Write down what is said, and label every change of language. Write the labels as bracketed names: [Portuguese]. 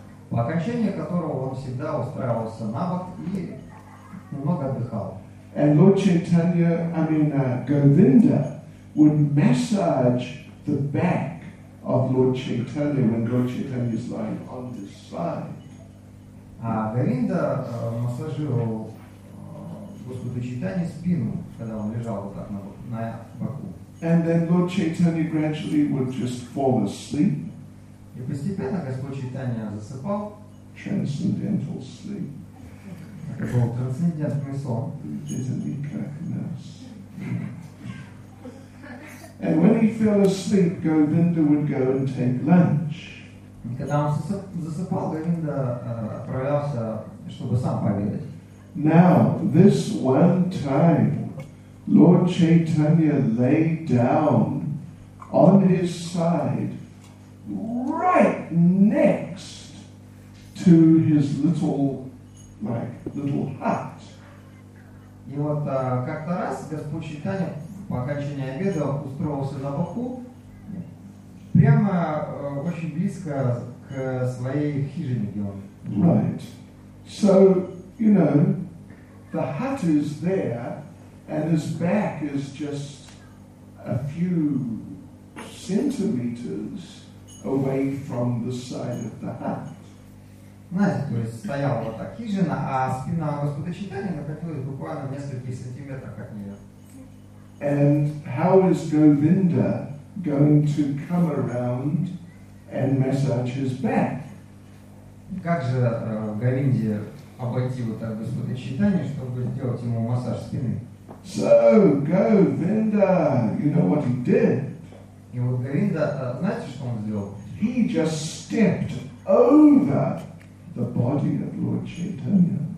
[Russian] По окончании которого он всегда устраивался на бок и немного отдыхал. [English] And Lord Chaitanya, Govinda would massage the back of Lord Chaitanya when Lord Chaitanya is lying on his side. [Russian] А Говинда массажировал Господу Чайтанья спину, когда он лежал вот так на боку. [English] And then Lord Chaitanya gradually would just fall asleep. [Russian] И постепенно Господь Чайтанья засыпал. [English] Transcendental sleep. [Russian] Это был трансцендентный сон. Vijitanikakanas. [English] And when he fell asleep, Govinda would go and take lunch. [Russian] И когда он засыпал, Говинда отправлялся, чтобы сам пообедать. [English] Now, this one time, Lord Chaitanya lay down on his side, right next to his little hut. [Russian] И вот как-то раз Господь Чайтанья по окончании обеда устроился на боку, прямо очень близко к своей хижине, где он. [English] Right. So, the hut is there, and his back is just a few centimeters away from the side of the hut. [Russian] Знаете, то есть стояла вот так хижина, а спина Господа Чайтанья находилась буквально в нескольких сантиметрах от нее. [English] And how is Govinda going to come around and massage his back? [Russian] Как же Говинде обойти вот так Господа Чайтанья, чтобы сделать ему массаж спины? [English] So, Govinda, you know what he did? [Russian] И вот Говинда, знаете, что он сделал? [English] He just stepped over the body of Lord Chaitanya.